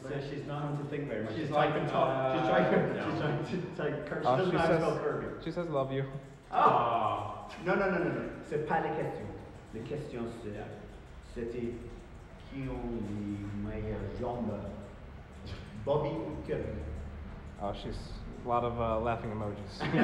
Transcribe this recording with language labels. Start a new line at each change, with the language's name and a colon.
English: She's not going to think very much. She's like she's trying to type. She doesn't know how to spell Kirby. She says love you.
French: Oh! No. C'est pas la question. La question c'était qui ont le meilleur jambe? Bobby ou Kirby?
English: Oh, she's a lot of laughing emojis.